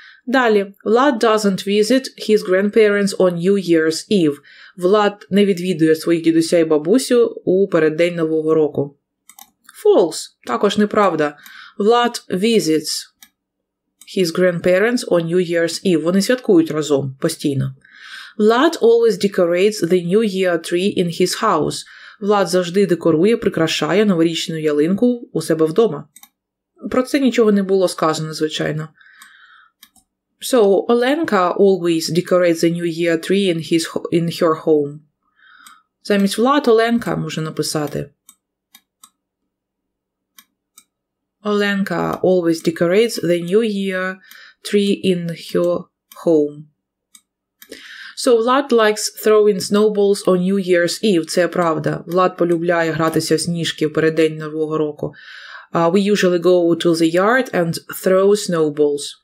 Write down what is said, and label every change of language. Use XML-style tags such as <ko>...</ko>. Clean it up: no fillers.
<uk>Далі.</uk> <en>Влад doesn't visit his grandparents on New Year's Eve.</en> <uk>Влад не відвідує своїх дідуся і бабусю у переддень Нового року.</uk> <en>False.</en> <uk>Також неправда.</uk> <en>Влад visits his grandparents on New Year's Eve.</en> <uk>Вони святкують разом постійно.</uk> <en>Влад always decorates the New Year tree in his house.</en> <uk>Влад завжди декорує, прикрашає новорічну ялинку у себе вдома. Про це нічого не було сказано, звичайно.</uk> <en>So, Оленка always decorates the New Year tree in her home.</en> <uk>Замість Влад Оленка можна написати.</uk> <en>Оленка always decorates the New Year tree in her home. So, Влад likes throwing snowballs on New Year's Eve.</en> <uk>Це правда. Влад полюбляє гратися в сніжки в переддень Нового року.</uk> <en>We usually go to the yard and throw snowballs.</en>